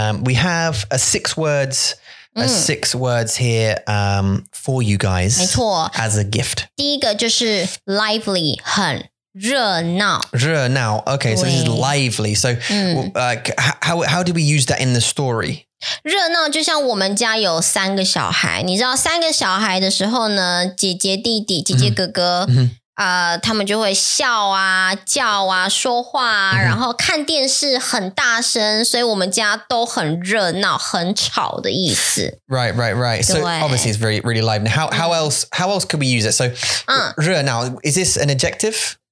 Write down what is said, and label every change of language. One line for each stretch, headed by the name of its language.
English: We have six words here for you guys as a gift.
Chinese: 第一个就是 lively, 很热闹。
English: 热闹 okay, so this is lively. So how do we use that in the story?
Chinese: 热闹就像我们家有三个小孩。你知道三个小孩的时候呢,姐姐弟弟,姐姐哥哥。 Mm-hmm. Mm-hmm. 他们就会笑啊叫啊说话啊、mm-hmm. 然后看电视很大声所以我们家都很热闹很吵的意思。
English: Right. So obviously it's very, really lively. How else could we use it? So, 热闹, is this an adjective?